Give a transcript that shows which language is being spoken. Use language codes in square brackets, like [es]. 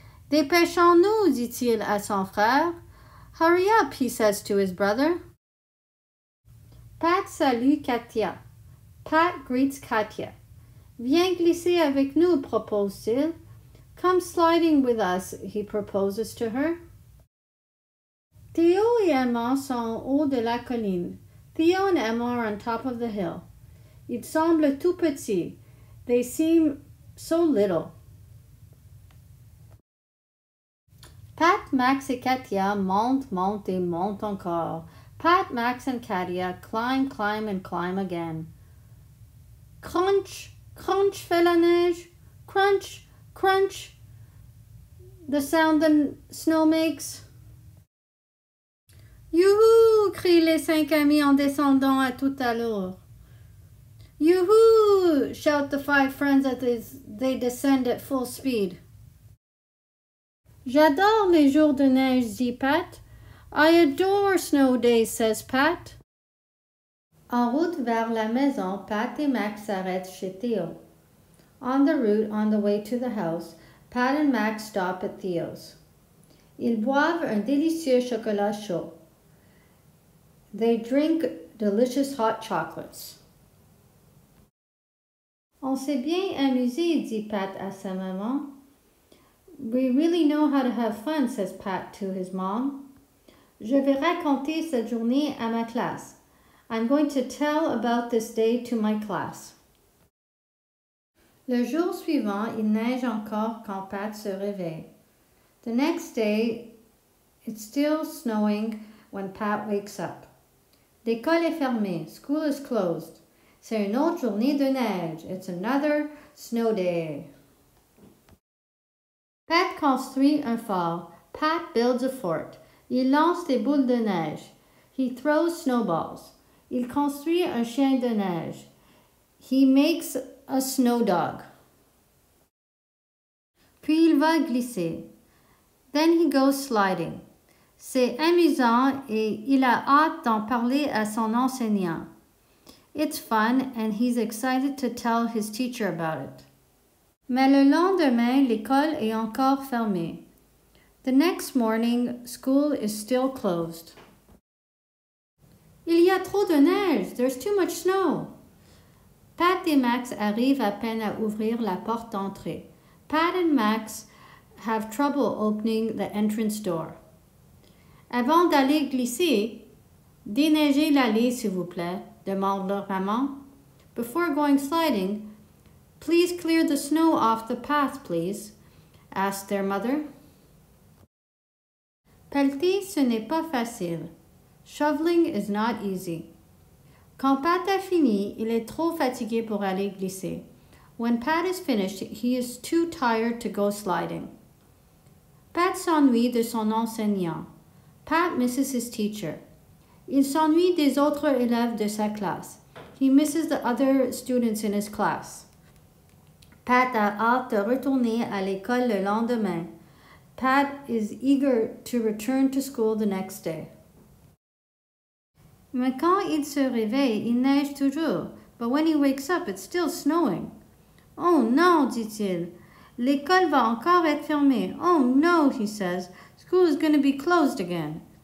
[fr] Dépêchons-nous, dit-il à son frère. [en] Hurry up, he says to his brother. [fr] Pat salue Katia. [en] Pat greets Katia. [fr] Viens glisser avec nous, propose-t-il. [en] Come sliding with us, he proposes to her. [fr] Théo et Emma sont en haut de la colline. [en] Théo and Emma are on top of the hill. [fr] Ils semblent tout petits. [en] They seem so little. [fr] Pat, Max et Katia montent, montent et montent encore. [en] Pat, Max and Katia climb, climb and climb again. [fr] Crunch! Crunch fait la neige. Crunch, crunch. [en] The sound the snow makes. [fr] Youhou, crient les cinq amis en descendant à toute allure. [en] Youhou, shout the five friends as they descend at full speed. [fr] J'adore les jours de neige, dit Pat. [en] I adore snow days, says Pat. [fr] En route vers la maison, Pat et Max s'arrêtent chez Théo. [en] On the route, on the way to the house, Pat and Max stop at Theo's. [fr] Ils boivent un délicieux chocolat chaud. [en] They drink delicious hot chocolates. [fr] On s'est bien amusé, dit Pat à sa maman. [en] We really know how to have fun, says Pat to his mom. [fr] Je vais raconter cette journée à ma classe. [en] I'm going to tell about this day to my class. [fr] Le jour suivant, il neige encore quand Pat se réveille. [en] The next day, it's still snowing when Pat wakes up. [fr] L'école est fermée. [en] School is closed. [fr] C'est une autre journée de neige. [en] It's another snow day. [fr] Pat construit un fort. [en] Pat builds a fort. [fr] Il lance des boules de neige. [en] He throws snowballs. [fr] Il construit un chien de neige. [en] He makes a snow dog. [fr] Puis il va glisser. [en] Then he goes sliding. [fr] C'est amusant et il a hâte d'en parler à son enseignant. [en] It's fun and he's excited to tell his teacher about it. [fr] Mais le lendemain, l'école est encore fermée. [en] The next morning, school is still closed. [fr] Il y a trop de neige. [en] There's too much snow. [fr] Pat et Max arrivent à peine à ouvrir la porte d'entrée. [en] Pat and Max have trouble opening the entrance door. [fr] Avant d'aller glisser, déneigez l'allée, s'il vous plaît. demande leur maman. [en] Before going sliding, please clear the snow off the path, please, asked their mother. [fr] Pelleter, ce n'est pas facile. [en] Shoveling is not easy. [fr] Quand Pat a fini, il est trop fatigué pour aller glisser. [en] When Pat is finished, he is too tired to go sliding. [fr] Pat s'ennuie de son enseignant. [en] Pat misses his teacher. [fr] Il s'ennuie des autres élèves de sa classe. [en] He misses the other students in his class. [fr] Pat a hâte de retourner à l'école le lendemain. [en] Pat is eager to return to school the next day. [fr] Mais quand il se réveille, il neige toujours. [en] But when he wakes up, it's still snowing. [fr] Oh non, dit-il. L'école va encore être fermée. [en] Oh no, he says. School is going to be closed again.